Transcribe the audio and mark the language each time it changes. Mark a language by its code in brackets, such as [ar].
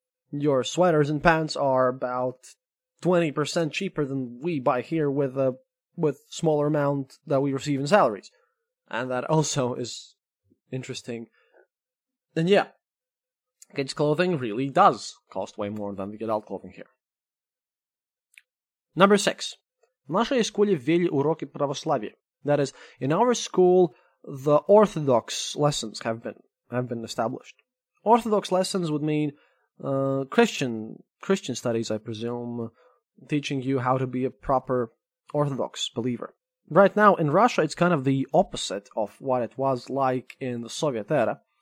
[en] Your sweaters and pants are about 20% cheaper than we buy here with smaller amount that we receive in salaries. And that also is interesting. And yeah, kids' clothing really does cost way more than the adult clothing here. Number 6. [ru] В нашей школе ввели уроки православия. [en] That is, in our school, the Orthodox lessons have been established. Orthodox lessons would mean Christian studies, I presume, teaching you how to be a proper Orthodox believer. Right now, in Russia, it's kind of the opposite of what it was like in the Soviet era.